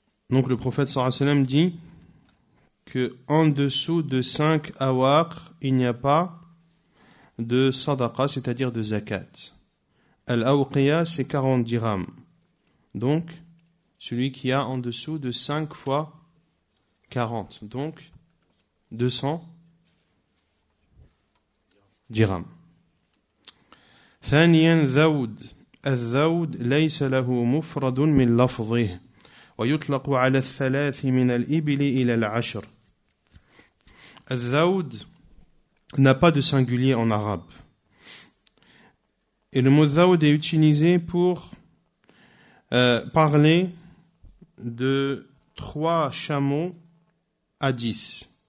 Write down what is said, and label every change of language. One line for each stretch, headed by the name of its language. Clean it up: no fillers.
French: Donc le prophète sallallahu alayhi wa sallam dit que en dessous de 5 awaq, il n'y a pas de sadaqa, c'est-à-dire de zakat. Al-awqiya, c'est 40 dirhams. Donc, celui qui a en dessous de 5 fois 40, donc 200 dirhams.
Arabic: ثانيا زود الزود ليس له مفرد من لفظه ويطلق على 3 من الإبل إلى 10.
French: الزود n'a pas de singulier en arabe. Et le mot زود est utilisé pour parler de 3 chameaux à 10.